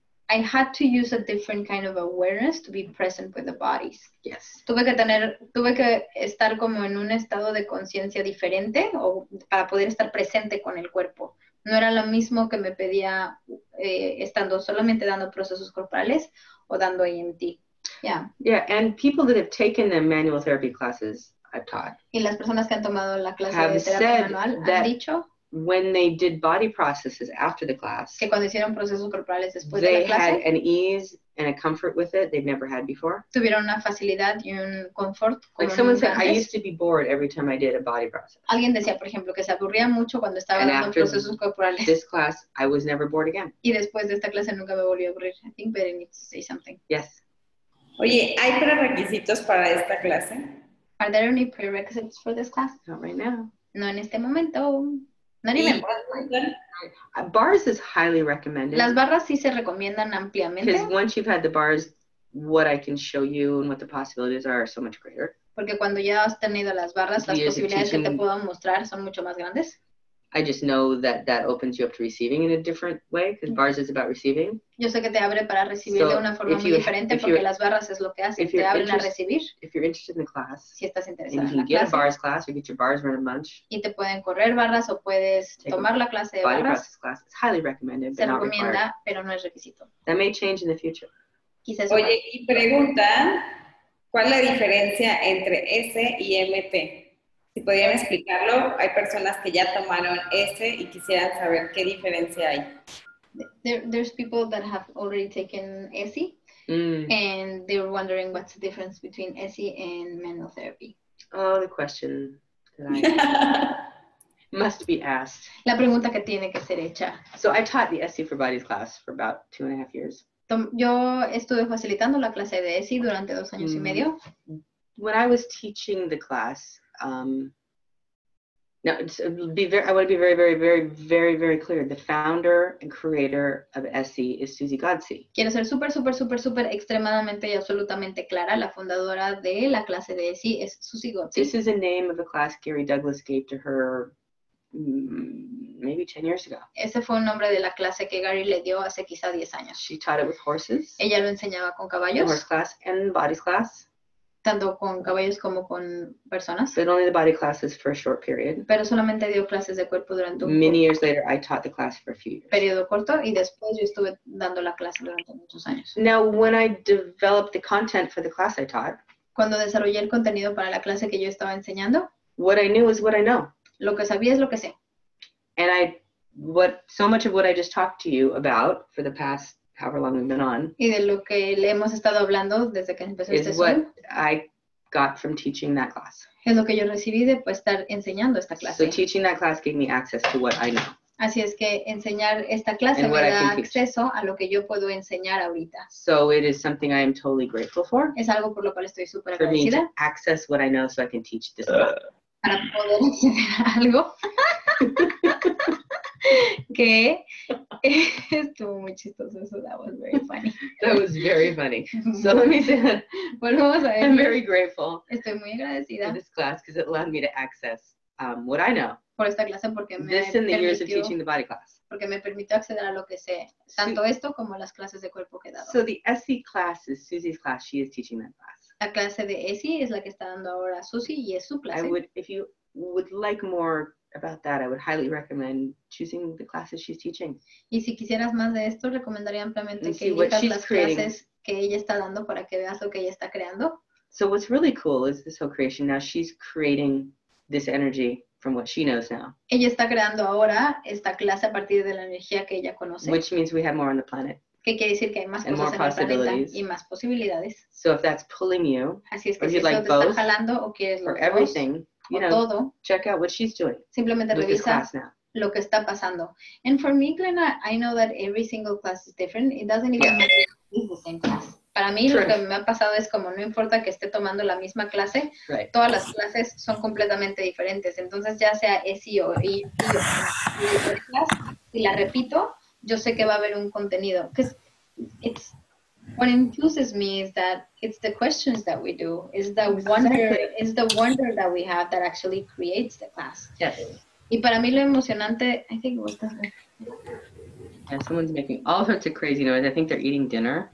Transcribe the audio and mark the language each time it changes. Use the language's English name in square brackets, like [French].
[English] I had to use a different kind of awareness to be present with the bodies. Yes. [Spanish] Tuve que estar como en un estado de conciencia diferente o para poder estar presente con el cuerpo. No era lo mismo que me pedía estando solamente dando procesos corporales o dando EMT. [English] Yeah. Yeah, and people that have taken the manual therapy classes I've taught. [Spanish] Y las personas que han tomado la clase de terapia manual han dicho [English] when they did body processes after the class, [Spanish] que cuando hicieron procesos corporales después [English] they [Spanish] de la clase, [English] had an ease and a comfort with it they've never had before. [Spanish] Tuvieron una facilidad y un confort. [English] Like someone said, I used to be bored every time I did a body process. [Spanish] Alguien decía, por ejemplo, que se aburría mucho cuando estaba [English] and [Spanish] dando procesos corporales. [English] This class, I was never bored again. [Spanish] Y después de esta clase nunca me volví a aburrir. [English] I think Betty needs to say something. Yes. [Spanish] Oye, ¿hay prerequisitos para esta clase? [English] Are there any prerequisites for this class? Not right now. [Spanish] No en este momento. [English] Not even. Bars is highly recommended. [Spanish] Las barras sí se recomiendan ampliamente. [English] Because once you've had the bars, what I can show you and what the possibilities are so much greater. [Spanish] Porque cuando ya has tenido las barras, las posibilidades que te puedo mostrar son mucho más grandes. [English] I just know that that opens you up to receiving in a different way, because bars is about receiving. [Spanish] Yo sé que te abre para recibir de una forma muy diferente, porque las barras es lo que hace, te abren a recibir. [English] If you're interested in the class, [Spanish] si estás interesado en la clase, [English] you can get a bars class, you get your bars run a bunch. [Spanish] Y te pueden correr barras o puedes tomar la clase de barras. [English] Body process class, it's highly recommended, but not required. [Spanish] Se recomienda, pero no es requisito. [English] That may change in the future. [Spanish] Quizás. Oye, y pregunta, ¿cuál es la diferencia entre S y MT? Si podrían explicarlo, hay personas que ya tomaron ese y quisieran saber qué diferencia hay. [English] There's people that have already taken ESI and they're wondering what's the difference between ESI and manual therapy. Oh, the question that I must be asked. [Spanish] La pregunta que tiene que ser hecha. [English] So I taught the ESI for Bodies class for about 2.5 years. [Spanish] Yo estuve facilitando la clase de ESI durante 2 años y medio. [English] When I was teaching the class, I want to be very, very, very, very, very clear. The founder and creator of ESI is Susie Godsey. [Spanish] Quiero ser super, super, super, super extremadamente y absolutamente clara. La fundadora de la clase de ESI es Susie Godsey. [English] This is the name of a class Gary Douglas gave to her maybe 10 years ago. [Spanish] Ese fue un nombre de la clase que Gary le dio hace quizá 10 años. [English] She taught it with horses. [Spanish] Ella lo enseñaba con caballos. [English] The horse class and bodies class. [Spanish] Tanto con caballos como con personas. [English] But only the body classes for a short period. [Spanish] Pero solamente dio clases de cuerpo durante un [English] many years later, I taught the class for a few years. [Spanish] Periodo corto, y después yo estuve dando la clase durante muchos años. [English] Now, when I developed the content for the class I taught, [Spanish] cuando desarrollé el contenido para la clase que yo estaba enseñando, [English] what I knew is what I know. [Spanish] Lo que sabía es lo que sé. [English] And I, so much of what I just talked to you about for the past however long we've been on. [Spanish] Y de lo que le hemos estado hablando desde que empezó este [English] Zoom. Is what I got from teaching that class. [Spanish] Es lo que yo recibí de estar enseñando esta clase. [English] So teaching that class gave me access to what I know. [Spanish] Así es que enseñar esta clase me da acceso a lo que yo puedo enseñar ahorita. [English] So it is something I am totally grateful for. [Spanish] Es algo por lo cual estoy súper agradecida. [English] For me to access what I know so I can teach this class. [Spanish] Para poder enseñar algo. Que estuvo muy chistoso eso. [English] That was very funny. That was very funny. So let me say that. [Spanish] Volvemos a ver. [English] I'm very grateful. [Spanish] Estoy muy agradecida. [English] For this class because it allowed me to access what I know. [Spanish] Por esta clase porque me [English] this in the years of teaching the body class. [Spanish] Porque me permitió acceder a lo que sé. Tanto so, esto como las clases de cuerpo que he dado. [English] So the ESI class is Susie's class. She is teaching that class. [Spanish] La clase de ESI es la que está dando ahora Susie y es su clase. [English] I would, if you would like more about that, I would highly recommend choosing the classes she's teaching. [Spanish] Y si quisieras más de esto, recomendaría ampliamente que elijas las clases que ella está dando para que veas lo que ella está creando. [English] So what's really cool is this whole creation. Now she's creating this energy from what she knows now. [Spanish] Ella está creando ahora esta clase a partir de la energía que ella conoce. [English] Which means we have more on the planet. [Spanish] ¿Qué quiere decir? Que hay más [English] and [Spanish] cosas [English] more possibilities. [Spanish] Y más posibilidades. [English] So if that's pulling you, [Spanish] así es que [English] or [Spanish] si [English] you'd like [Spanish] te [English] both, [Spanish] está jalando, o quieres [English] or everything, you know, [Spanish] todo, [English] check out what she's doing. [Spanish] Simplemente [English] with [Spanish] revisa [English] this class now. [Spanish] Lo que está pasando. [English] And for me, Glenna, I know that every single class is different. It doesn't even matter if it's the same class. [Spanish] Para mí, [English] true. [Spanish] Lo que me ha pasado es como no importa que esté tomando la misma clase, [English] right. [Spanish] Todas las clases son completamente diferentes. Entonces, ya sea ESI o y la repito, yo sé que va a haber un contenido. [English] It's, what infuses me is that it's the questions that we do. It's the wonder, it's the wonder that we have that actually creates the class. Yes. [Spanish] Y para mí lo emocionante, [English] I think it was the... Yeah, someone's making all sorts of crazy noise. I think they're eating dinner.